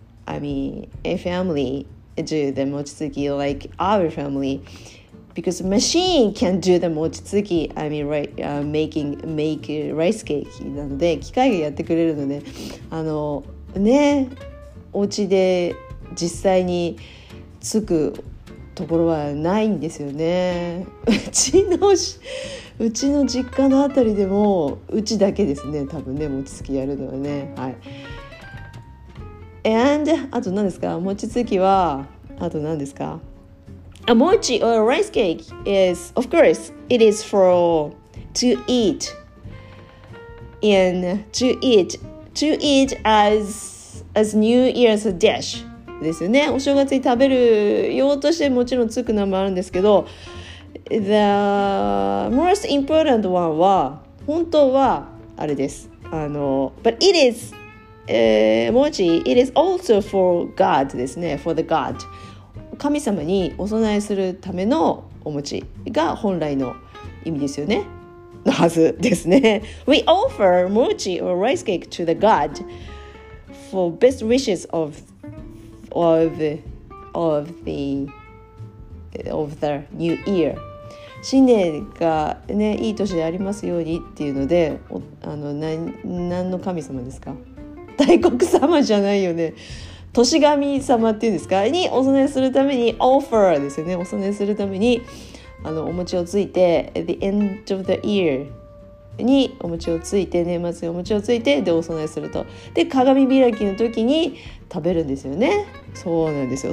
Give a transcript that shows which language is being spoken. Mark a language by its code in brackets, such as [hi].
[en] A family do the mochitsuki like our family, because machine can do the mochitsuki. Make rice cake [ja] なので機械がやってくれるので、お家で実際につくところはないんですよね。うちの実家のあたりでもうちだけですね、多分ね、餅つきやるのはね。はい。 And, あと何ですか?餅つきは、あと何ですか? [en] A mochi or a rice cake is, of course, it is for to eat. And to eat as New Year's dish. ですよね。 [ja] お正月に食べる用としてもちろんつく名もあるんですけど、 [en] The most important one [ja] は、 本当はあれです。 [en] But it is mochi, it is also for God, for the God. [ja] 神様にお供えするためのお餅が本来の意味ですよね。のはずですね。 [en] We offer mochi or rice cake to the God for best wishes of the new year. [ja] 新年がね、いい年でありますようにっていうので、何の神様ですか? 大黒様じゃないよね。年神様っていうんですか?にお供えするために、offer ですよね。お供えするために、あのお餅をついて [en] at the end of the year [ja] にお餅をついて年末にお餅をついてでお供えすると、で鏡開きの時に食べるんですよね。そうなんですよ。